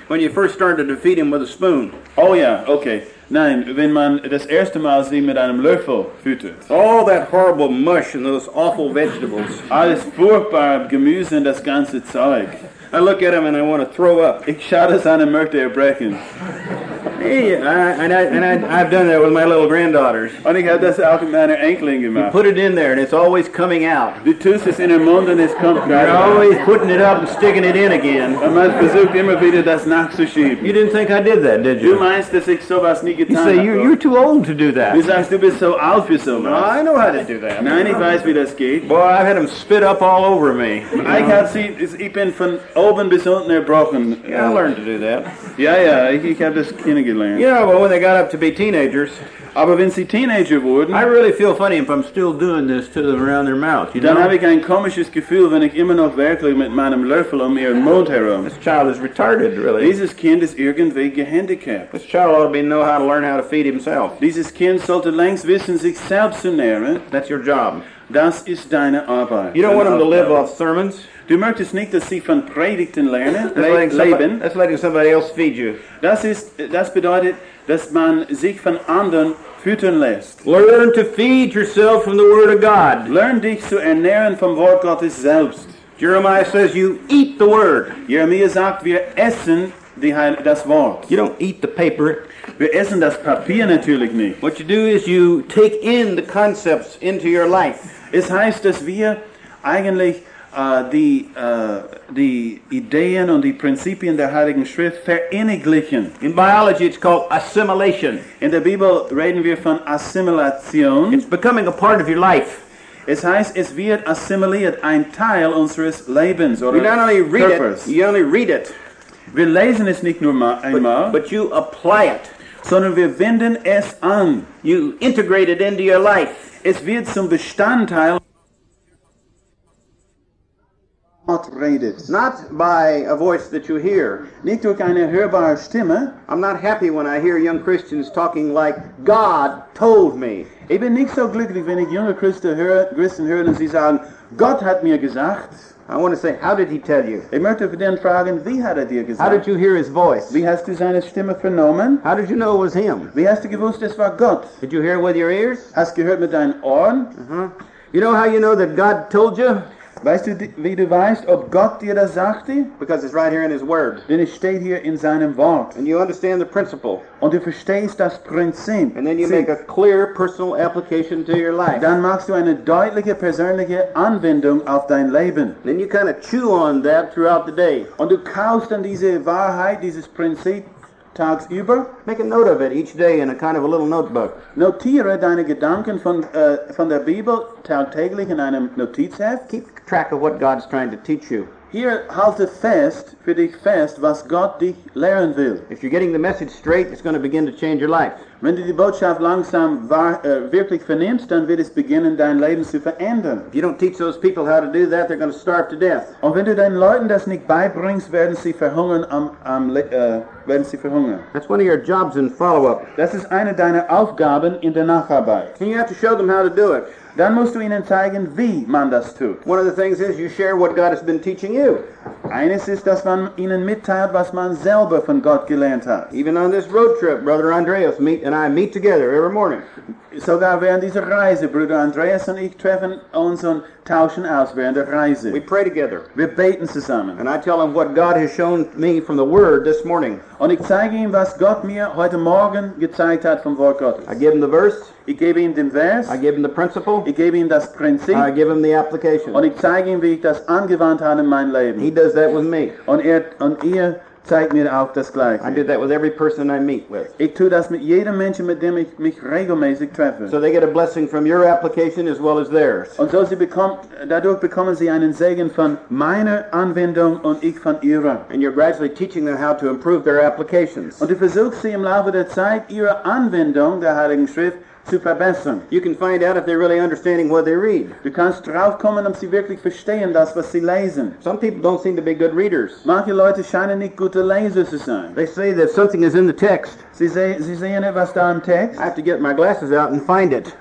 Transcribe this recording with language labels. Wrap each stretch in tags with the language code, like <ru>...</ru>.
<en>When you first started to feed him with a spoon. Oh yeah, okay.</en> <de>Nein, wenn man das erste Mal sie mit einem Löffel füttert.</de> <en>All that horrible mush and those awful vegetables.</en> <de>Alles furchtbare Gemüse und das ganze Zeug.</de> <en>I look at him and I want to throw up.</en> <de>Ich schaue das an und möchte erbrechen.</de> <en>I've done that with my little granddaughters.</en> <de>Und ich habe das auch mit meiner Enkelin gemacht.</de> <en>You put it in there and it's always coming out.</en> <de>Du tust es in den Mund und es kommt gerade.</de> <en>You're always putting it up and sticking it in again.</en> <de>Und man versucht immer wieder das nachzuschieben.</de> <en>You didn't think I did that, did you?</en> <de>Du meinst, dass ich sowas nie getan habe.</de> <en>You say, you're too old to do that.</en> <de>Du sagst, du bist so alt für sowas.</de> <en>No, I know how to do that.</en> <de>Nein, ich weiß, wie das geht.</de> <en>Boy, I've had them spit up all over me.</en> <de>Ich bin von oben bis unten erbrochen.</de> <en>Yeah, I learned to do that.</en> <de>Yeah, ich habe das kennengelernt.</de> <en>Yeah, well, when they got up to be teenagers,</en> <de>aber wenn sie Teenager wurden,</de> <en>I really feel funny if I'm still doing this to them around their mouth. You</en> <de>dann habe ich ein komisches Gefühl, wenn ich immer noch wirklich mit meinem Löffel um ihren Mund herum.</de> <en>This child is retarded, really.</en> <de>Dieses Kind ist irgendwie gehandicapt.</de> <en>This child ought to be know how to learn how to feed himself.</en> <de>Dieses Kind sollte längst wissen, sich selbst zu nähren.</de> <en>That's your job.</en> <de>Das ist deine Arbeit.</de> <en>You don't want them to live off sermons.</en> <de>Du möchtest nicht, dass sie von Predigten lernen.</de> <en>That's letting somebody else feed you.</en> <de>Das bedeutet, dass man sich von anderen füttern lässt.</de> <en>Learn to feed yourself from the Word of God.</en> <de>Lern dich zu ernähren vom Wort Gottes selbst.</de> <en>Jeremiah says you eat the Word.</en> <de>Jeremiah sagt, wir essen das Wort.</de> <en>You don't eat the paper.</en> <de>Wir essen das Papier natürlich nicht.</de> <en>What you do is you take in the concepts into your life.</en> <de>Es heißt, dass wir eigentlich die Ideen und die Prinzipien der Heiligen Schrift vereinigen.</de> <en>In biology it's called assimilation.</en> <de>In der Bibel reden wir von Assimilation.</de> <en>It's becoming a part of your life.</en> <de>Es heißt, es wird assimiliert, ein Teil unseres Lebens oder Körpers.</de> <en>You only read it.</en> <de>Wir lesen es nicht nur einmal.</de> <en>But you apply it.</en> <de>Sondern wir wenden es an.</de> <en>You integrate it into your life.</en> <de>Es wird zum Bestandteil.</de> <en>Not by a voice that you hear.</en> <de>Nicht durch eine hörbare Stimme.</de> <en>I'm not happy when I hear young Christians talking like God told me.</en> <de>Ich bin nicht so glücklich, wenn ich junge Christen höre und sie sagen, Gott hat mir gesagt.</de> <en>I want to say, how did he tell you?</en> <de>Ich möchte dann fragen, wie hat dir gesagt?</de> <en>How did you hear his voice?</en> <de>Wie hast du seine Stimme vernommen?</de> <en>How did you know it was him?</en> <de>Wie hast du gewusst, es war Gott?</de> <en>Did you hear with your ears?</en> <de>Hast du gehört mit deinen Ohren?</de> <en>You know how you know that God told you?</en> <de>Weißt du, wie du weißt, ob Gott dir das sagte?</de> <en>Because it's right here in his word.</en> <de>Denn es steht hier in seinem Wort.</de> <en>And you understand the principle.</en> <de>Und du verstehst das Prinzip.</de> <en>And then you make a clear personal application to your life.</en> <de>Dann machst du eine deutliche persönliche Anwendung auf dein Leben.</de> <en>Then you kind of chew on that throughout the day.</en> <de>Und du kaust an diese Wahrheit, dieses Prinzip, tags über.</de> <en>Make a note of it each day in a kind of a little notebook.</en> <de>Notiere deine Gedanken von der Bibel tagtäglich in einem Notizheft.</de> <en>Keep track of what God's trying to teach you.</en> <de>Hier halte fest, für dich fest, was Gott dich lehren will.</de> <en>If you're getting the message straight, it's going to begin to change your life.</en> <de>Wenn du die Botschaft langsam wirklich vernimmst, dann wird es beginnen, dein Leben zu verändern.</de> <en>If you don't teach those people how to do that, they're going to starve to death.</en> <de>Und wenn du den Leuten das nicht beibringst, werden sie verhungern.</de> <en>That's one of your jobs in follow-up.</en> <de>Das ist eine deiner Aufgaben in der Nacharbeit.</de> <en>And you have to show them how to do it.</en> <de>Dann musst du ihnen zeigen, wie man das tut.</de> <en>One of the things is you share what God has been teaching you.</en> <de>Eines ist, dass man ihnen mitteilt, was man selber von Gott gelernt hat.</de> <en>Even on this road trip, Brother Andreas and I meet together every morning.</en> <de>Sogar während dieser Reise, Bruder Andreas und ich treffen uns und tauschen aus während der Reise.</de> <en>We pray together.</en> <de>Wir beten zusammen.</de> <en>And I tell him what God has shown me from the Word this morning.</en> <de>Und ich zeige ihm, was Gott mir heute Morgen gezeigt hat vom Wort Gottes.</de> <en>I give him the verse.</en> <de>Ich gebe ihm den Vers.</de> <en>I give him the principle.</en> <de>Ich gebe ihm das Prinzip.</de> <en>I give him the application.</en> <de>Und ich zeige ihm, wie ich das angewandt habe in mein Leben.</de> <en>He does that with me.</en> <de>Und er zeigt mir auch das Gleiche.</de> <en>I did that with every person I meet with.</en> <de>Ich tue das mit jedem Menschen, mit dem ich mich regelmäßig treffe.</de> <en>So they get a blessing from your application as well as theirs.</en> <de>Und so sie bekommen, dadurch bekommen sie einen Segen von meiner Anwendung und ich von ihrer.</de> <en>And you're gradually teaching them how to improve their applications.</en> <de>Und du versuchst sie im Laufe der Zeit, ihre Anwendung der Heiligen Schrift zu verbessern.</de> <en>You can find out if they're really understanding what they read.</en> <de>Du kannst drauf kommen, ob sie wirklich verstehen das, was sie lesen.</de> <en>Some people don't seem to be good readers.</en> <de>Manche Leute scheinen nicht gute Leser zu sein.</de> <en>They say that something is in the text.</en> <de>Sie sehen etwas da im Text.</de> <en>I have to get my glasses out and find it.</en>